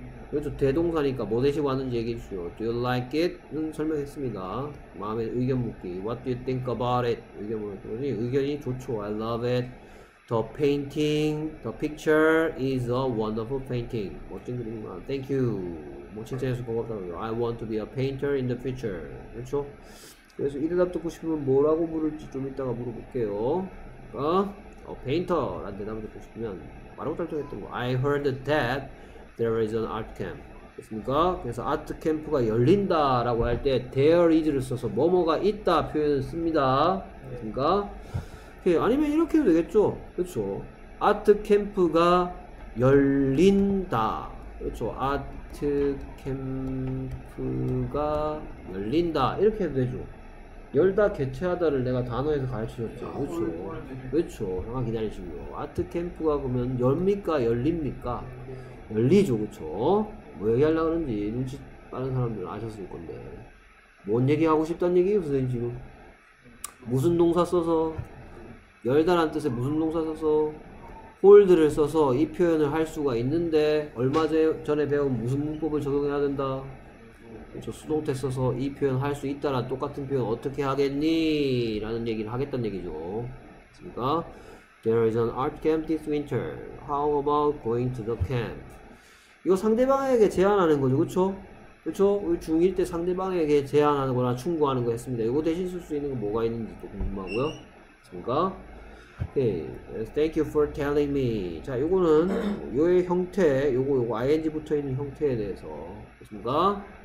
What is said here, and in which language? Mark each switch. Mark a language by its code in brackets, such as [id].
[ko] 그렇죠. 대동사니까 뭐 대신 왔는지 얘기해 주시오. [en] Do you like it? [ko] 응, 설명했습니다. 마음에 의견 묻기. [en] What do you think about it? [ko] 의견 물었더니 의견이 좋죠. [en] I love it. The picture is a wonderful painting. [ko] 멋진 그림이구나. [en] Thank you. [ko] 뭐 칭찬해서 고맙다고요. [en] I want to be a painter in the future. [ko] 그렇죠? 그래서 이 대답 듣고 싶으면 뭐라고 물을지 좀 이따가 물어볼게요. 페인터라는 대답을 듣고 싶으면 말하고 짤뚱했던 거. [en] I heard that there is an art camp. [ko] 됐습니까? 그래서 아트 캠프가 열린다라고 할때 there is를 써서 뭐뭐가 있다 표현을 씁니다. 됐습니까? 아니면 이렇게 해도 되겠죠? 그렇죠? 아트 캠프가 열린다. 그렇죠? 아트 캠프가 열린다. 이렇게 해도 되죠? 열다 개최하다를 내가 단어에서 가르쳐줬죠. 그렇죠? 그렇죠? 잠깐 기다리시고요. 아트 캠프가 그러면 열립니까? 열립니까? 열리죠. 그렇죠? 뭐 얘기하려고 그러는지 눈치 빠른 사람들은 아셨을 건데 뭔 얘기하고 싶단 얘기예요? 선생님 지금 무슨 동사 써서 열다란 뜻에 무슨 동사 써서 hold를 써서 이 표현을 할 수가 있는데 얼마 전에 배운 무슨 문법을 적용해야 된다? 그렇죠. 수동태 써서 이 표현 할수 있다라 똑같은 표현 어떻게 하겠니? 라는 얘기를 하겠다는 얘기죠. 그러니까 [en] There is an art camp this winter. How about going to the camp? [ko] 이거 상대방에게 제안하는 거죠. 그렇죠? 그렇죠? 우리 중1 때 상대방에게 제안하는 거나 충고하는 거 했습니다. 이거 대신 쓸수 있는 거 뭐가 있는지 또 궁금하고요. 그러니까 [en] Okay. Thank you for telling me. [ko] 자, 요거는 요의 형태, 요거 ing 붙어 있는 형태에 대해서 그렇습니까?